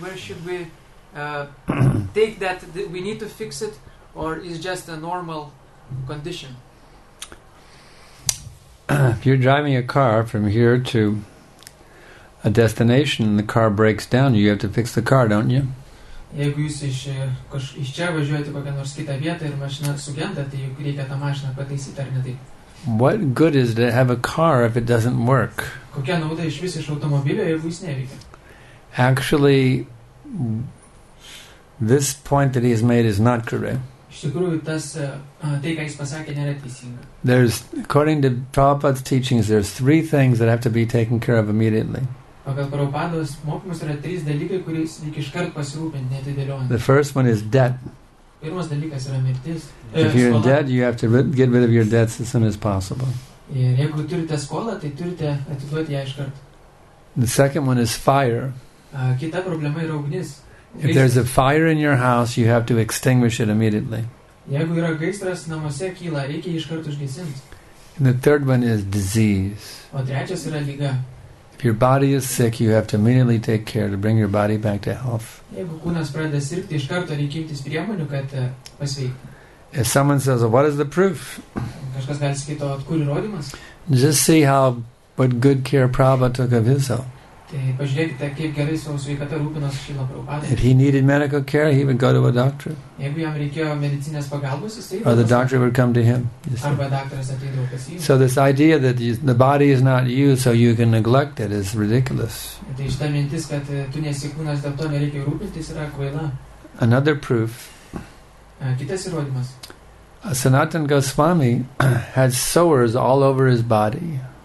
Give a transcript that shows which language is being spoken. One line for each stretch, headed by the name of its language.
English: Where should we take that we need to fix it, or is it just a normal condition? If you're driving a car from here to a destination and the car breaks down, you have to fix the car, don't you?
Lithuanian: Jeigu jūs iš čia važiuojate kokią nors kitą vietą ir mašina sugenda, tai juk reikia tą mašiną pataisyti, ar ne taip?
English: What good is to have a car if it doesn't work?
Lithuanian: Kokia nauda iš vis iš automobilio, jeigu jis neveikia?
English: Actually, this point that he has made is not correct.
Lithuanian: Iš tikrųjų, tas, tai, ką jis pasakė, nėra teisinga.
English: There's, according to Prabhupada's teachings, there's three things that have to be taken care of immediately.
Lithuanian: Pagal Prabhupados mokymus yra trys dalykai, kuris reikia iš kart pasirūpinti, neatidėliojant.
English: The first one is debt.
Lithuanian: Pirmas dalykas yra mirtis.
English: If you're in debt, you have to get rid of your debts as soon as possible.
Lithuanian: Ir jeigu turite skolą, tai turite atiduoti ją iš kart.
English: The second one is fire.
Lithuanian: Kita problema yra ugnis.
English: If there's a fire in your house, you have to extinguish it immediately.
Lithuanian: Jeigu yra gaisras, namuose kyla, reikia iš karto užgesinti.
English: And the third one is disease.
Lithuanian: O trečias yra liga.
English: If your body is sick, you have to immediately take care to bring your body back to health.
Lithuanian: Jeigu kūnas pradeda sirgti, iš karto reikia imtis priemonių, kad pasveiktų.
English: If someone says, well, what is the proof?
Lithuanian: Kažkas gali sakyti, o kur įrodymas?
English: Just see how, what good care Prabhupada took of his health.
Lithuanian: Tai pažiūrėkite, kaip gerai savo sveikata rūpinosi Šrila Prabhupada.
English: If he needed medical care, he would go to a doctor.
Lithuanian: Jeigu jam reikėjo medicinės pagalbos, jis eidavo.
English: Or the doctor would come to him.
Lithuanian: Arba daktaras ateidavo pas jį.
English: So this idea that the body is not you, so you can neglect it, is ridiculous.
Lithuanian: Tai šita mintis, kad tu nesi kūnas, dėl to nereikia rūpintis, yra kvaila.
English: Another proof.
Lithuanian: Kitas įrodymas.
English: Sanatan Goswami had sores all over his body.